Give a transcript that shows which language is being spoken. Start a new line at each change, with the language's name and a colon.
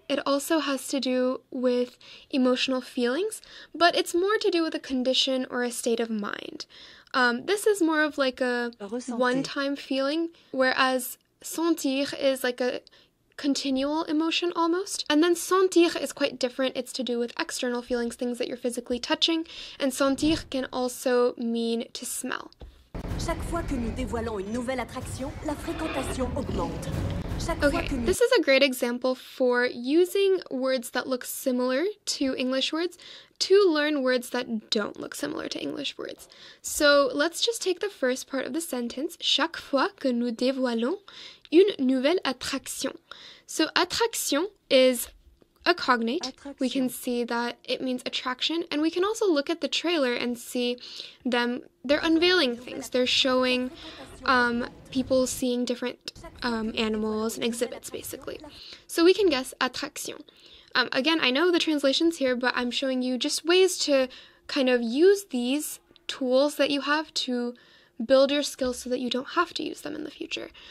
English: It also has to do with emotional feelings, but it's more to do with a condition or a state of mind. This is more of like a one-time feeling, whereas sentir is like a continual emotion almost. And then sentir is quite different. It's to do with external feelings, things that you're physically touching. And sentir can also mean to smell.
French: Chaque fois que nous dévoilons une nouvelle attraction, la fréquentation augmente.
English: This is a great example for using words that look similar to English words to learn words that don't look similar to English words. So let's just take the first part of the sentence.
French: Chaque fois que nous dévoilons une nouvelle attraction.
English: So attraction is a cognate. Attraction. We can see that it means attraction. And we can also look at the trailer and see them. They're unveiling things. They're showing people seeing different animals and exhibits, basically. So we can guess attraction. Again, I know the translation's here, but I'm showing you just ways to kind of use these tools that you have to build your skills so that you don't have to use them in the future.